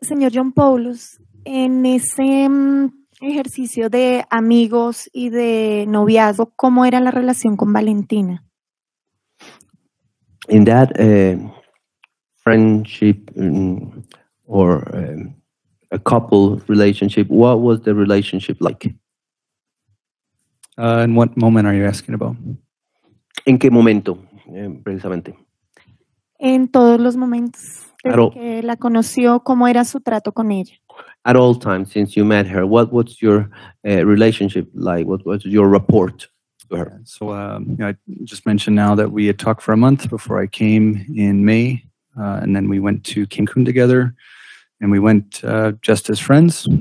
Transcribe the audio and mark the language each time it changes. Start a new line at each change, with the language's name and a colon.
Spanish: Señor John Paulos, en ese ejercicio de amigos y de noviazgo, ¿cómo era la relación con Valentina?
English: In that friendship or a couple relationship, what was the relationship like? In what moment are you asking about?
Spanish: ¿En qué momento, precisamente? En todos los momentos. Desde que la conoció, ¿cómo era su trato con ella?
English: At all times, since you met her, what's your relationship like? What was your rapport to her? So I just mentioned now that we had talked for a month before I came in May. And then we went to Cancun together, and we went just as friends.